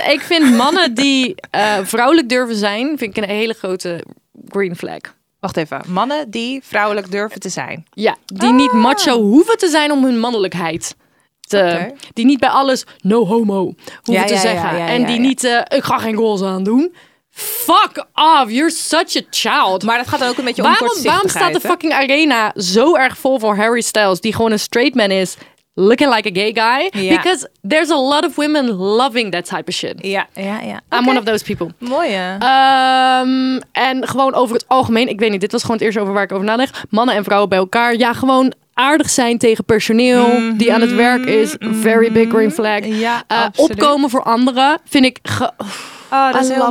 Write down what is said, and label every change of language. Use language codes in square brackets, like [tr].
[nl] ik vind mannen die vrouwelijk durven zijn, vind ik een hele grote green flag. Wacht even, mannen die vrouwelijk durven te zijn. Ja, die niet macho hoeven te zijn om hun mannelijkheid te... Okay. Die niet bij alles [en] no homo [nl] hoeven te zeggen. En die niet, ik ga geen roze aan doen. [en] Fuck off, you're such a child. [nl] Maar dat gaat dan ook een beetje om kortzichtigheid. Waarom staat de fucking arena zo erg vol voor Harry Styles, die gewoon een straight man is, [en] looking like a gay guy? Yeah. Because there's a lot of women loving that type of shit. [nl] Ja. [en] I'm one of those people. [nl] Mooi, hè? En gewoon over het algemeen, ik weet niet, dit was gewoon het eerste over waar ik over nadenk. Mannen en vrouwen bij elkaar. Ja, gewoon aardig zijn tegen personeel die aan het werk is. [en] Very big green flag. [nl] Ja, opkomen voor anderen vind ik... dat is heel [en] love